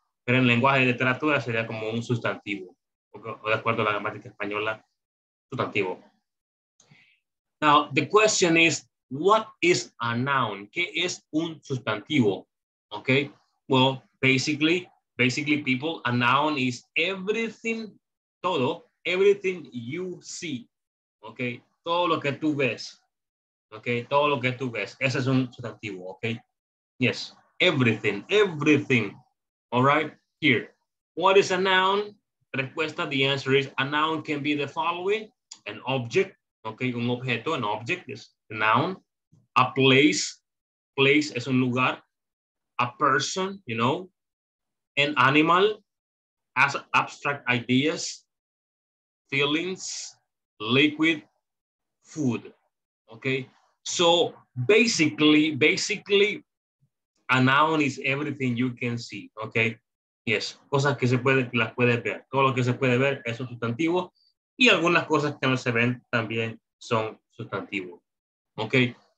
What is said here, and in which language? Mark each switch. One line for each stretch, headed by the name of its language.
Spanish: Pero en lenguaje de literatura sería como un sustantivo, okay? De acuerdo a la gramática española, sustantivo.
English: Now, the question is, what is a noun?
Spanish: ¿Qué es un sustantivo?
English: Okay? Well, basically people, a noun is everything, todo, everything you see, okay?
Spanish: Todo lo que tú ves, okay? Todo lo que tú ves, ese es un sustantivo, okay?
English: Yes, everything, all right? Here, what is a noun? Respuesta, the answer is a noun can be the following, an object, okay?
Spanish: Un objeto,
English: an object is a noun, a place
Spanish: es un lugar,
English: a person, you know, an animal, as abstract ideas, feelings, liquid, food, okay? So basically, a noun is everything you can see, okay?
Spanish: Yes, cosas que se pueden, las puedes ver. Todo lo que se puede ver es un sustantivo y algunas cosas que no se ven también son sustantivos, okay?